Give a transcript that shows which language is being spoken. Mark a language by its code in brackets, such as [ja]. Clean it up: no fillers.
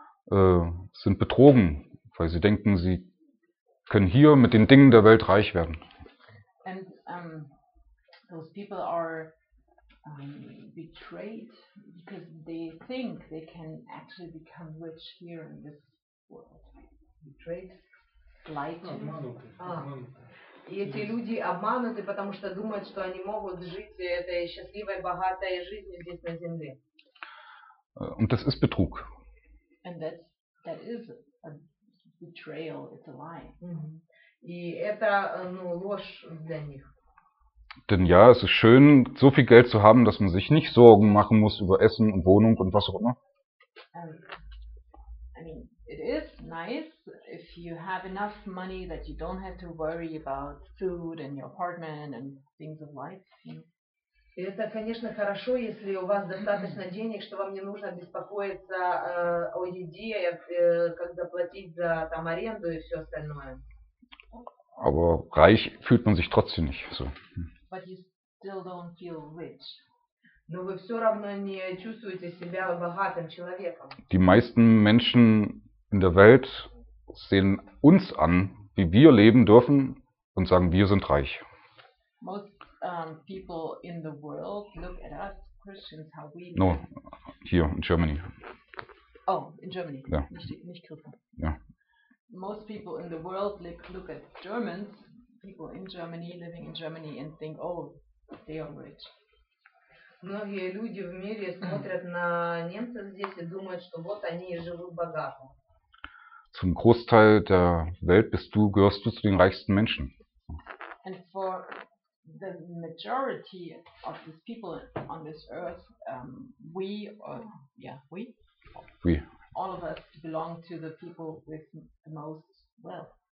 [de] sind betrogen, weil sie denken, sie können hier mit den Dingen der Welt reich werden. [en] And those people are betrayed because they think they can actually become rich here in this world. Betrayed, lied to. [ru] И эти люди обмануты, потому что думают, что они могут жить этой счастливой, богатой жизнью здесь на земле. [de] Und das ist Betrug. [en] And that is a betrayal, it's a lie. [ru] И это, ну, ложь для них. [de] Denn ja, es ist schön, so viel Geld zu haben, dass man sich nicht Sorgen machen muss über Essen und Wohnung und was auch immer. [en] I mean, it is nice if you have enough money that you don't have to worry about food and your apartment and things of life. [ru] Это, конечно, хорошо, если у вас достаточно денег, что вам не нужно беспокоиться о еде, как заплатить за там аренду и все остальное. [de] Aber reich fühlt man sich trotzdem nicht so. [en] But you still don't feel rich. [ru] Но вы все равно не чувствуете себя богатым человеком. [de] Die meisten Menschen in der Welt sehen uns an, wie wir leben dürfen und sagen, wir sind reich. [en] Most people in the world look at us Christians how we live. No, here in Germany. Oh, in Germany. [de] Ja. Nicht Kürzen. Ja. [en] Most people in the world look at Germans. People in Germany, living in Germany, and think, oh, they are rich. [ru] Многие люди в мире смотрят на немцев здесь и думают, что вот они и живут богато. [de] Zum Großteil der Welt gehörst du zu den reichsten Menschen. [en] And for the majority of these people on this earth, we, all of us belong to the people with the most wealth.